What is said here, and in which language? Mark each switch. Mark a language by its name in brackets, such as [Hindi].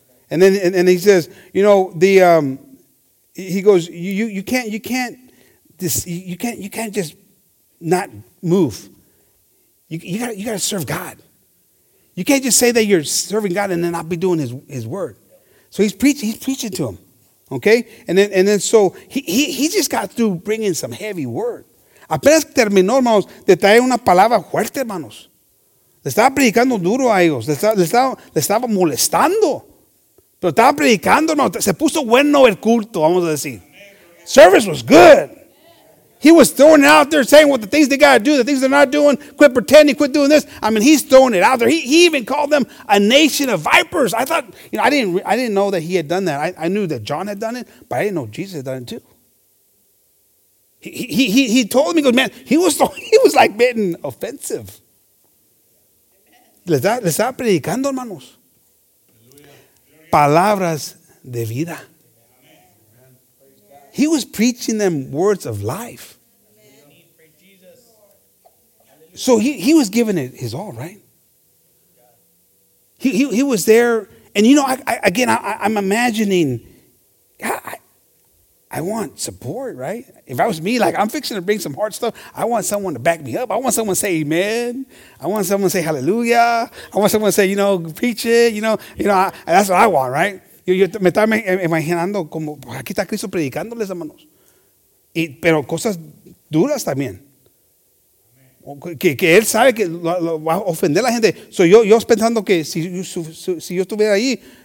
[English] And then and he says, you know, the he goes, you can't just not move. You got to serve God. You can't just say that you're serving God and then not be doing his word. So he's preaching to him. Okay, and then so he just got through bringing some heavy word. [Spanish] Apenas terminó, hermanos, de traer una palabra fuerte, hermanos. Le estaba predicando duro a ellos. Le estaba molestando. Pero estaba predicando, hermanos. Se puso bueno el culto, vamos a decir. [English] Service was good. He was throwing it out there, saying what the things they got to do, the things they're not doing. Quit pretending, quit doing this. I mean, he's throwing it out there. He even called them a nation of vipers. I thought, you know, I didn't know that he had done that. I knew that John had done it, but I didn't know Jesus had done it too. He told me, he goes, man, he was like getting offensive. [Spanish] Le estaba predicando, hermanos. Palabras de vida. [English] He was preaching them words of life. So he was giving it his all, right? He was there. And, you know, I'm imagining, I want support, right? If I was me, like, I'm fixing to bring some hard stuff. I want someone to back me up. I want someone to say amen. I want someone to say hallelujah. I want someone to say, you know, preach it. You know, that's what I want, right? [Spanish] Yo me estaba imaginando como aquí está Cristo predicándoles, hermanos. Pero cosas duras también. Que él sabe que lo va a ofender a la gente. So yo pensando que si yo estuviera ahí,